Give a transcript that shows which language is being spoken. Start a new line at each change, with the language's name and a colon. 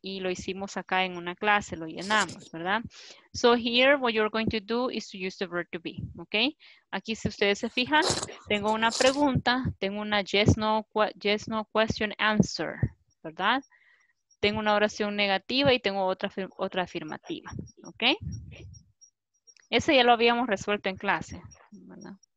Spanish: Y lo hicimos acá en una clase, lo llenamos, ¿verdad?
English: So here, what you're going to do is to use the verb to be, okay?
Spanish: Aquí, si ustedes se fijan, tengo una pregunta, tengo una
English: yes, no question answer,
Spanish: ¿verdad? Tengo una oración negativa y tengo otra afirmativa, okay? Ese ya lo habíamos resuelto en clase, ¿verdad?